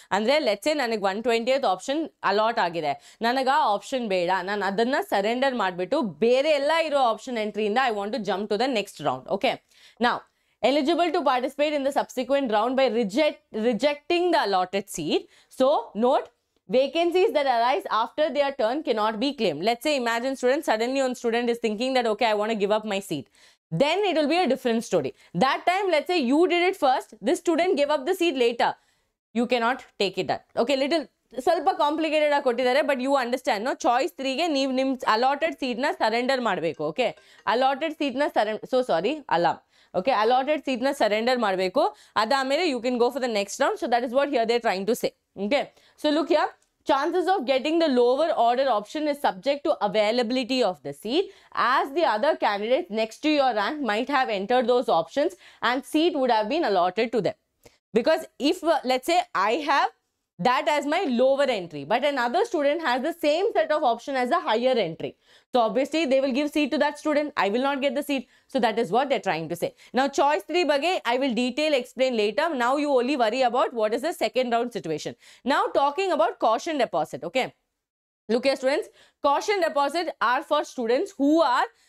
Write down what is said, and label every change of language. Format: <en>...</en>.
<kn>ಅಂದರೆ let's A ನನಗೆ 120th option allot ಆಗಿದೆ, ನನಗೆ ಆ ಆಪ್ಷನ್ ಬೇಡ, ನಾನು ಅದನ್ನು ಸರೆಂಡರ್ ಮಾಡಿಬಿಟ್ಟು ಬೇರೆ ಎಲ್ಲ ಇರೋ option ಎಂಟ್ರಿಯಿಂದ</kn> <en>I want to jump to the next round. Okay, ನಾವು eligible to participate in the subsequent round by rejecting the allotted seat. So note, vacancies that arise after their turn cannot be claimed. Let's say, imagine students, suddenly one student is thinking that, okay, I want to give up my seat. Then it will be a different story. That time, let's say you did it first, this student gave up the seat later. You cannot take it that. Okay, little,</en> <kn>ಸ್ವಲ್ಪ complicated ಆಗಿ ಕೊಟ್ಟಿದ್ದಾರೆ,</kn> <en>But you understand no.</en> <kn>Choice 3ಗೆ ನೀವು ನಿಮ್ಮ allotted ಸೀಟ್ನ surrender ಮಾಡಬೇಕು. Okay, allotted ಸೀಟ್ನ alarm.</kn> <en>okay,</en> <kn>allotted ಸೀಟ್ನ surrender ಮಾಡಬೇಕು, ಅದಾದಮೇಲೆ</kn> <en>You can go for the next round. So that is what here they trying to say. Okay, so look here, chances of getting the lower order option is subject to availability of the seat, as the other candidate next to your rank might have enter those options and seat would have been allotted to them. Because if let's a I have that as my lower entry, but another student has the same set of option as a higher entry, so obviously they will give seat to that student, I will not get the seat. So that is what they're trying to say. Now choice 3 bage I will detail explain later. Now you only worry about what is the second round situation. Now talking about caution deposit. Okay, look here students, caution deposit are for students who are</en>